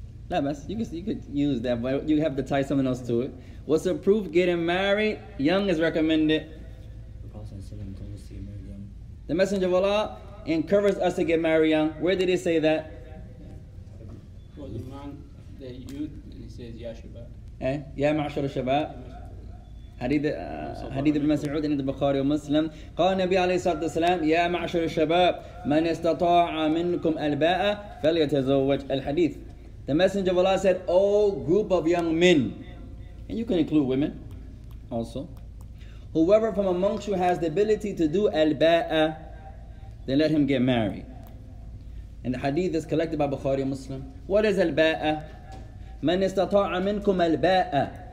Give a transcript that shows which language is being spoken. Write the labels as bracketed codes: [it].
[ar] لا بس, [en] you could use that, but you have to tie something else to it. What's the proof? Getting married young is recommended. The Messenger of Allah encouraged us to get married young. Where did he say that? For the man, the youth, and he says, Ya Shabab. Eh? Ya Ma'ashar Shabab. [ar] حديث ابن مسعود عند البخاري ومسلم قال النبي عليه الصلاة والسلام يا معشر الشباب من استطاع منكم الباءة فليتزوج. الحديث. [en] The Messenger of Allah said, O group of young men, and you can include women also, whoever from amongst you has the ability to do الباءة, then let him get married. And the hadith is collected by Bukhari Muslim. What is الباءة? [ar] من استطاع منكم الباءة.